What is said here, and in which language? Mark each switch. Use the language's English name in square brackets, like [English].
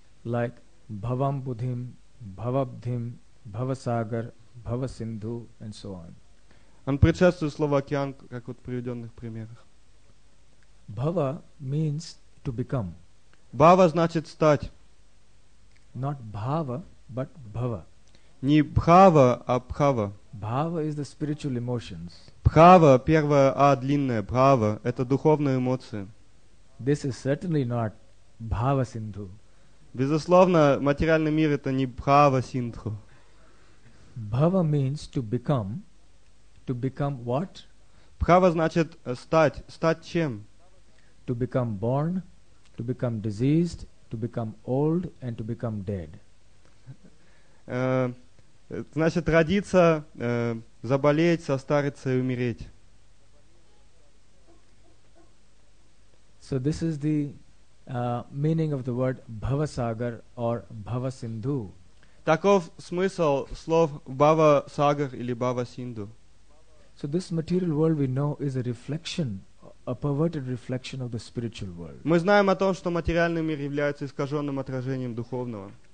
[English] Like «бхавамбудхим», «бхавабдхим», «бхавасагар», «бхавасиндху» and so on. [Russian] Он предшествует слову «океан», как вот в приведенных примерах. [English] «Бхава» means «to become». [Russian] «Бхава» значит «стать». [English] Not bhava, but bhava. [Russian] Не bhava, а bhava. [English] Bhava is the spiritual emotions. [Russian] Bhava, первое а длинное bhava, это духовные эмоции. [English] This is certainly not bhava sindhu. [Russian] Безусловно, материальный мир это не bhava sindhu. [English] Bhava means to become. To become what? [Russian] Bhava значит стать. Стать чем? [English] To become born, to become diseased. To become old and to become dead. [Russian] Значит, родиться, заболеть, состариться и умереть. [English] So this is the meaning of the word bhavasagar or bhavasindhu. [Russian] Таков смысл слов bhavasagar или bhavasindhu. [English] So this material world we know is a reflection. A perverted reflection of the spiritual world. [Russian] Мы знаем о том, что материальный мир является искаженным отражением духовного.